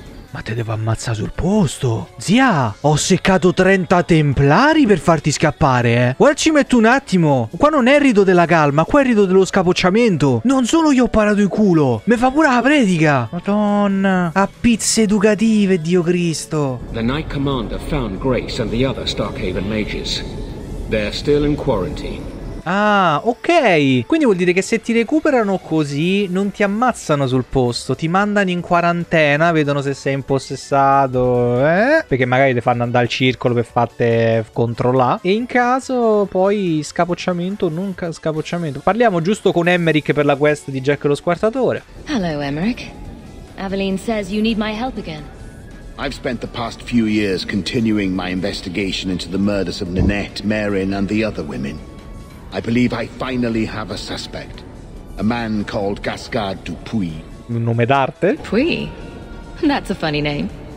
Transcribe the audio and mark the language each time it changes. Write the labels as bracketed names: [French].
[Italian] Ma te devo ammazzare sul posto. Zia, ho seccato 30 templari per farti scappare, eh. Guarda, ci metto un attimo. Qua non è il rito della calma, qua è il rito dello scapocciamento. Non solo gli ho parato il culo, mi fa pure la predica. Madonna, a pizze educative, Dio Cristo. [English] The Knight Commander found Grace and the other Starkhaven mages. They're still in quarantine. [Italian] Ah, ok. Quindi vuol dire che se ti recuperano così, non ti ammazzano sul posto. Ti mandano in quarantena, vedono se sei impossessato, eh? Perché magari ti fanno andare al circolo per fatte controllare. E in caso, poi, scapocciamento, non scapocciamento. Parliamo giusto con Emmerich per la quest di Jack lo Squartatore. [English] Hello, Emmerich. Aveline says you need my help again. I've spent the past few years continuing my investigation into the murders of Nanette, Merin and the other women. I believe I finally have a suspect. A man called Gascard Dupuy. [Italian] Un nome d'arte? [English] Dupuy? That's a funny name.